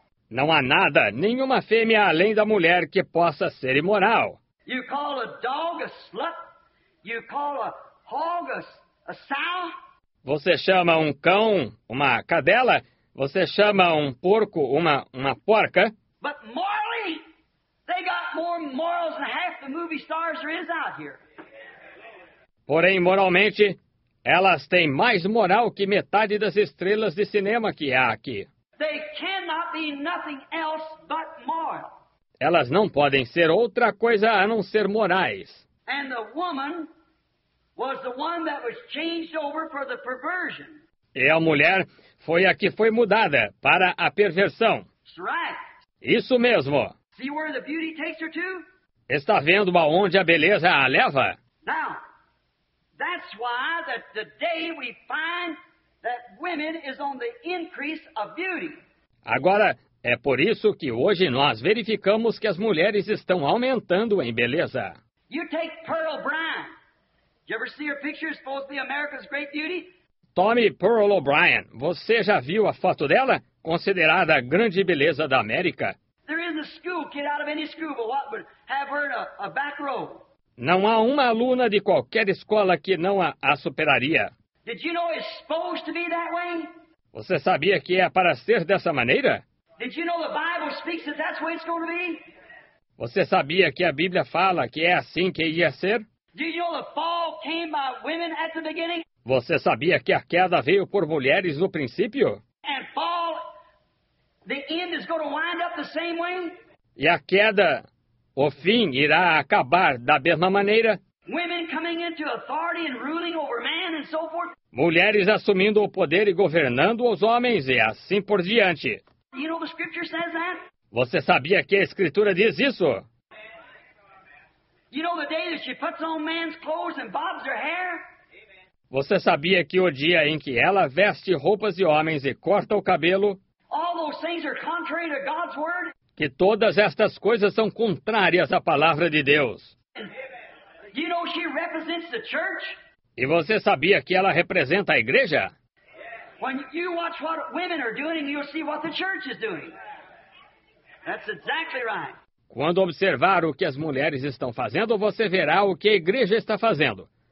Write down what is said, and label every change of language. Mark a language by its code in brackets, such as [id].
[pt] Não há nada, nenhuma fêmea além da mulher que possa ser imoral. [en] You call a dog a slut? You call a hog a sow? [pt] Você chama um cão uma cadela? Você chama um porco uma porca? [en] But morally, they got more morals than half the movie stars there is out here. [pt] Porém, moralmente, elas têm mais moral que metade das estrelas de cinema que há aqui. [en] They cannot be nothing else but moral. [pt] Elas não podem ser outra coisa a não ser morais. [en] And the woman was the one that was changed over for the perversion. [pt] E a mulher foi a que foi mudada para a perversão. [en] Right. [pt] Isso mesmo. [en] See where the beauty takes her to? [pt] Está vendo aonde a beleza a leva? [en] Now, that's why that the day we find that women is on the increase of beauty. [pt] Agora, é por isso que hoje nós verificamos que as mulheres estão aumentando em beleza. [en] You take Pearl O'Brien. Did you ever see her picture? Supposed to be America's great beauty? [pt] Tommy Pearl O'Brien, você já viu a foto dela? Considerada a grande beleza da América? [en] There isn't a school kid out of any school but what would have her in a back row. [pt] Não há uma aluna de qualquer escola que não a superaria. [en] Did you know it's supposed to be that way? [pt] Você sabia que é para ser dessa maneira? [en] Did you know the Bible speaks that that's what it's going to be? [pt] Você sabia que a Bíblia fala que é assim que ia ser? [en] Did you know the fall came by women at the beginning? [pt] Você sabia que a queda veio por mulheres no princípio? [en] And fall, the end is going to wind up the same way? [pt] E a queda, o fim irá acabar da mesma maneira? [en] Women coming into authority and ruling over man and so forth. [pt] Mulheres assumindo o poder e governando os homens e assim por diante. [en] You know the scripture says that? [pt] Você sabia que a escritura diz isso? [en] You know the day that she puts on man's clothes and bobs her hair? [pt] Você sabia que o dia em que ela veste roupas de homens e corta o cabelo? [en] All those things are contrary to God's word? [pt] Que todas estas coisas são contrárias à palavra de Deus. [en] You know she represents the church? [pt] E você sabia que ela representa a igreja? [en] When you watch what women are doing, you'll see what the church is doing. That's exactly right. [pt] Quando observar o que as mulheres estão fazendo, você verá o que a igreja está fazendo.